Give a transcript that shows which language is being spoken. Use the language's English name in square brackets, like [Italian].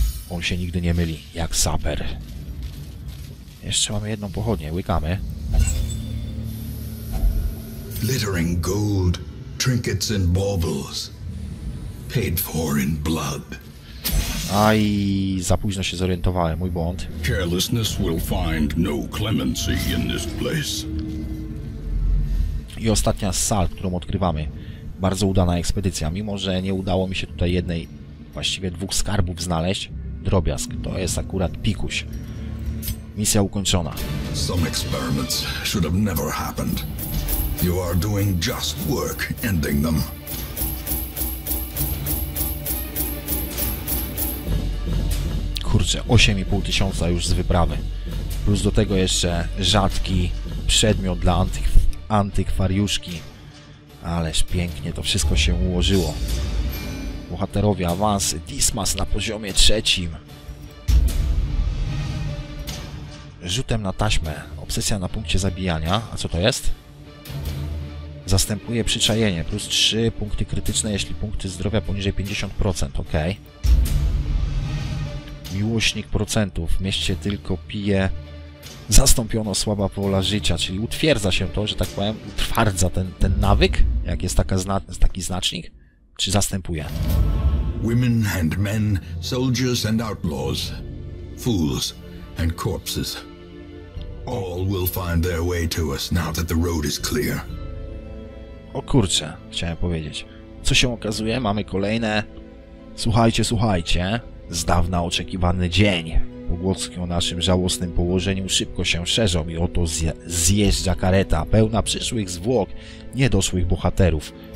[Polish] On się nigdy nie myli, jak Saber. Jeszcze mamy jedną pochodnię, łykamy. [English] Glittering gold, trinkets and baubles. Paid for in blood. [Polish] Aj, za późno się zorientowałem, mój błąd. [English] Carelessness will find no clemency in this place. [Polish] I ostatnia sal, którą odkrywamy. Bardzo udana ekspedycja, mimo że nie udało mi się tutaj jednej, właściwie dwóch skarbów znaleźć. Drobiazg, to jest akurat pikuś. Misja ukończona. [English] Some experiments should have never happened. You are doing just work ending them. [Polish] Kurczę, 8,5 tysiąca już z wyprawy. Plus do tego jeszcze rzadki przedmiot dla antykwariuszki. Ależ pięknie to wszystko się ułożyło. Bohaterowie, awansy. Dismas na poziomie trzecim. Rzutem na taśmę. Obsesja na punkcie zabijania. A co to jest? Zastępuje przyczajenie. Plus 3 punkty krytyczne, jeśli punkty zdrowia poniżej 50%. Ok. Miłośnik procentów. W mieście tylko pije. Zastąpiono słaba pola życia. Czyli utwierdza się to, że tak powiem, utwardza ten nawyk, jak jest taki znacznik. Czy zastępuje? [English] Women and men, soldiers and outlaws, fools and corpses. All will find their way to us now that the road is clear. [Polish] O kurczę, chciałem powiedzieć. Co się okazuje? Mamy kolejne... Słuchajcie, słuchajcie. Z dawna oczekiwany dzień. Pogłoski o naszym żałosnym położeniu szybko się szerzą i oto zjeżdża kareta pełna przyszłych zwłok, niedoszłych bohaterów.